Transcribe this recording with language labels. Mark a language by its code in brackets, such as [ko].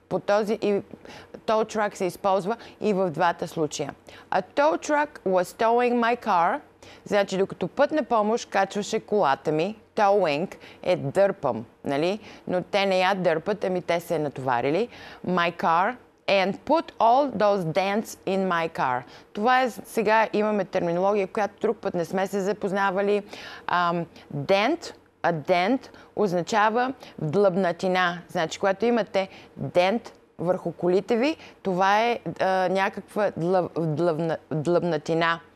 [bg] По този и tow truck се използва и в двата случая. [en] A tow truck was towing my car, [bg] значи докато път на помощ качваше колата ми. Towing е дърпам, нали? Но те не я дърпат, ами те се е натоварили. [en] My car. And put all those dents in my car. [bg] Това е, сега имаме терминология, която друг път не сме се запознавали. Dent, a dent, означава вдлъбнатина. Значи, когато имате dent върху колите ви, това е някаква вдлъбнатина.